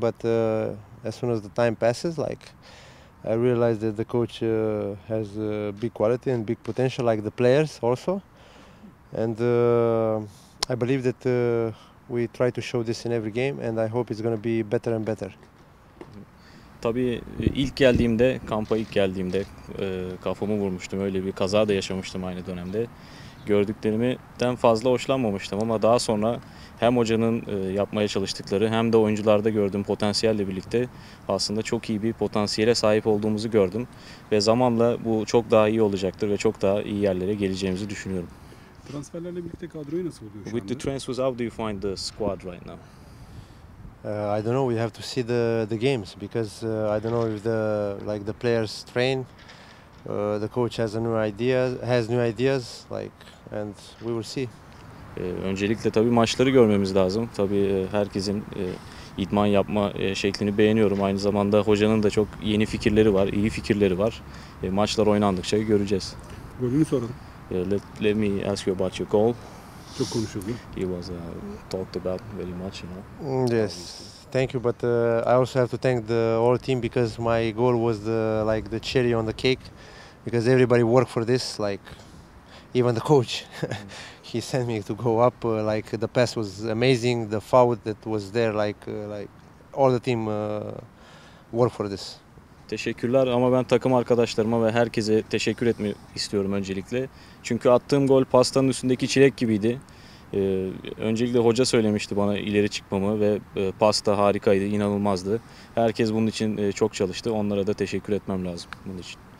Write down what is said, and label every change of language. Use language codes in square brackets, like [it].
[en] But as soon as the time passes, like I realized that the coach has big quality and big potential, like the players also. And I believe that we try to show this in every game, and I hope it's going to be better and better. [tr] Tabii ilk geldiğimde, kampa ilk geldiğimde kafamı vurmuştum. Öyle bir kaza da yaşamıştım aynı dönemde. Gördüklerimden fazla hoşlanmamıştım ama daha sonra hem hocanın yapmaya çalıştıkları hem de oyuncularda gördüğüm potansiyelle birlikte aslında çok iyi bir potansiyele sahip olduğumuzu gördüm. Ve zamanla bu çok daha iyi olacaktır ve çok daha iyi yerlere geleceğimizi düşünüyorum. Transferlerle birlikte kadroyu nasıl buluyor şu anda? [en] With the transfers, how do you find the squad right now? I don't know. We have to see the games because I don't know if the players train. The coach has a new idea, and we will see. [tr] Öncelikle tabii maçları görmemiz lazım. Tabii herkesin idman yapma şeklini beğeniyorum. Aynı zamanda hocanın da çok yeni fikirleri var, iyi fikirleri var. Maçlar oynandıkça göreceğiz. Golünü soralım. [en] Let me ask you about your goal. [tr] Çok konuşuldu. [en] He was talked about very much, you know. Yes. Thank you, but I also have to thank the whole team because my goal was the cherry on the cake, because everybody worked for this. Like even the coach, he sent me to go up. Like the pass was amazing, the foul that was there. Like all the team worked for this. [tr] Teşekkürler ama ben takım arkadaşlarıma ve herkese teşekkür etmek istiyorum öncelikle. Çünkü attığım gol pastanın üstündeki çilek gibiydi. Öncelikle hoca söylemişti bana ileri çıkmamı ve pasta harikaydı, inanılmazdı. Herkes bunun için çok çalıştı. Onlara da teşekkür etmem lazım bunun için.